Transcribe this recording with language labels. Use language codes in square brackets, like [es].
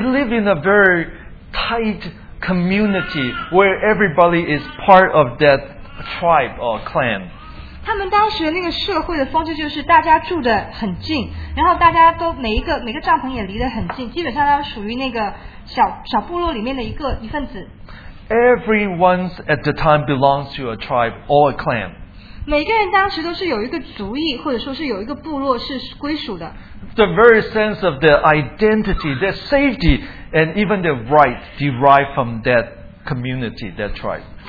[en] live in a very tight community where everybody is part of that tribe or clan. [zh] 他们当时那个社会的风气就是大家住得很近，然后大家都每一个帐篷也离得很近，基本上都属于那个小部落里面的一分子。 [en] Everyone at the time belongs to a tribe or a clan. [zh] 每个人当时都是有一个族裔或者说是有一个部落是归属的。 [en] The very sense of their identity, their safety, and even their rights derived from that community, that tribe.